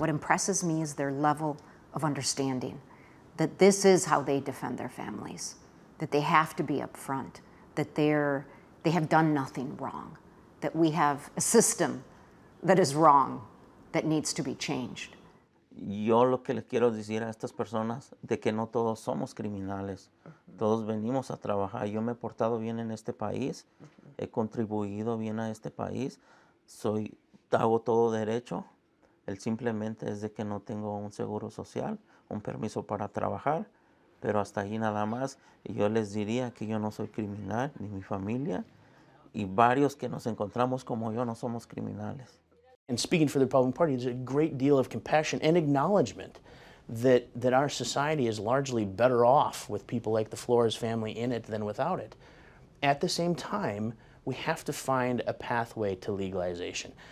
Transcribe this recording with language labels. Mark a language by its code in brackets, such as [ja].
[en] What impresses me is their level of understanding, that this is how they defend their families, that they have to be up front, that they have done nothing wrong, that we have a system that is wrong, that needs to be changed. [es] Yo lo que les quiero decir a estas personas de que no todos somos criminales. Todos venimos a trabajar. Yo me he portado bien en este país. He contribuido bien a este país. Soy, hago todo derecho. El simplemente es de que no tengo un seguro social, un permiso para trabajar. Pero hasta ahí nada más. Yo les diría que yo no soy criminal, ni mi familia. Y varios que nos encontramos como yo no somos criminales. [en] And speaking for the Republican Party, there's a great deal of compassion and acknowledgement that, that our society is largely better off with people like the Flores family in it than without it. At the same time, we have to find a pathway to legalization.